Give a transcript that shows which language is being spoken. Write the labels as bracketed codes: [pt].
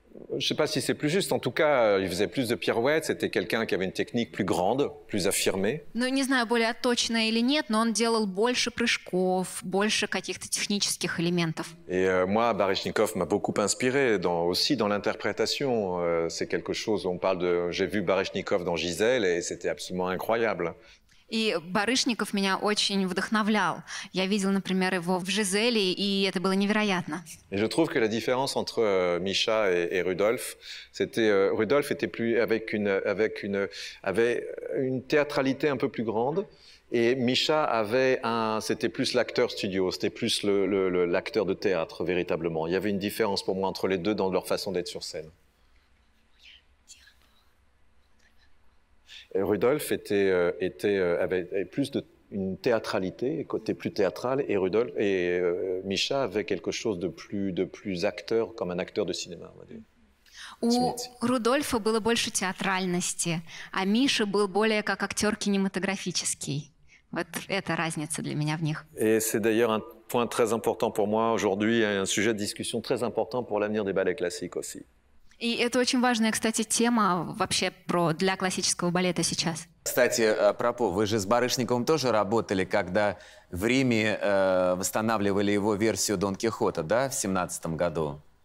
[fr] Je ne sais pas si c'est plus juste. En tout cas, il faisait plus de pirouettes. C'était quelqu'un qui avait une technique plus grande, plus affirmée. [ru] Ну, не знаю, более точная или нет, но он делал больше прыжков, больше каких-то технических элементов. [fr] Et moi, Baryshnikov m'a beaucoup inspiré dans, aussi dans l'interprétation. C'est quelque chose, on parle de... J'ai vu Baryshnikov dans Gisèle et c'était absolument incroyable. [ru] И Барышников меня очень вдохновлял. Я видел, например, его в «Жизели», и это было невероятно. [fr] Je trouve que la différence entre Misha et Rudolf, c'était Rudolf était plus avait une théâtralité un peu plus grande, et Misha avait un, c'était plus l'acteur studio, c'était plus l'acteur de théâtre véritablement. Il y avait une différence pour moi entre les deux dans leur façon d'être sur scène. Rudolf avait plus de une théâtralité, côté plus théâtral, et Rudolf et Misha avait quelque chose de plus acteur, comme un acteur de cinéma. [ru] У Рудольфа было больше театральности, а Миша был более как актер кинематографический. Вот это разница для меня в них. [fr] Et c'est d'ailleurs un point très important pour moi aujourd'hui, un sujet de discussion très important pour l'avenir des ballets classiques aussi. [ru] И это очень важная, кстати, тема вообще про для классического балета сейчас. Кстати, пропо, вы же с Барышниковым тоже работали, когда в Риме восстанавливали его версию Дон Кихота, да, в 17 году?